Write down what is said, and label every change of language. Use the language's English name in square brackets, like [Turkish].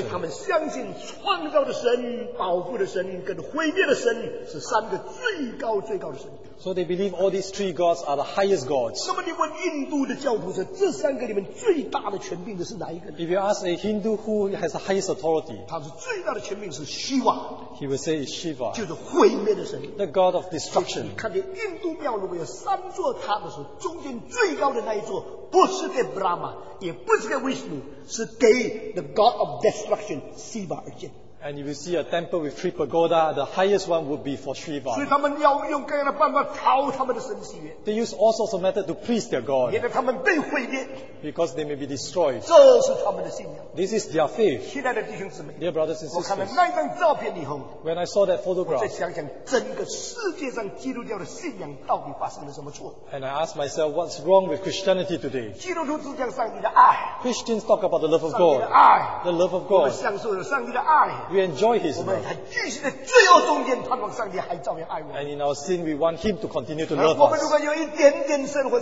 [Chinese] 所以他们相信创造的神、保护的神跟毁灭的神是三个最高最高的神。 [English] So they believe all these three gods are the highest gods. [Chinese] 那么你问印度的教徒说，这三个里面最大的权柄的是哪一个呢？ [English] If you ask a Hindu who has the highest authority, [Chinese] 他说最大的权柄是 Shiva. [English] He will say it's Shiva. [Chinese] 就是毁灭的神。 [English] The god of destruction. [Chinese] 你看见印度庙如果有三座塔的时候，中间最高的那一座不是给 Brahma， 也不是给 Vishnu， 是给 [English] the god of destruction [Chinese] Shiva 而建。 [English] And if you see a temple with three pagoda, the highest one would be for Shiva. [Chinese] 所以他们要用各样的办法讨他们的神喜悦。 [English] They use all sorts of method to please their god. [Chinese] 因为他们被毁灭。 [English] Because they may be destroyed. [Chinese] 这是他们的信仰。 [English] This is their faith. [Chinese] 亲爱的弟兄姊妹。 [English] Dear brothers and sisters. [Chinese] 我看了那张照片以后。 [English] When I saw that photograph. [Chinese] 我再想想整个世界上基督教的信仰到底发生了什么错。 [English] And I asked myself, what's wrong with Christianity today? [Chinese] 基督徒只讲上帝的爱。 [English] Christians talk about the love of God. [Chinese] 上帝的爱。 [English] The love of God. [Chinese] 我们享受着上帝的爱。 [English] We enjoy His love. And in our sin, we want Him to continue to love us.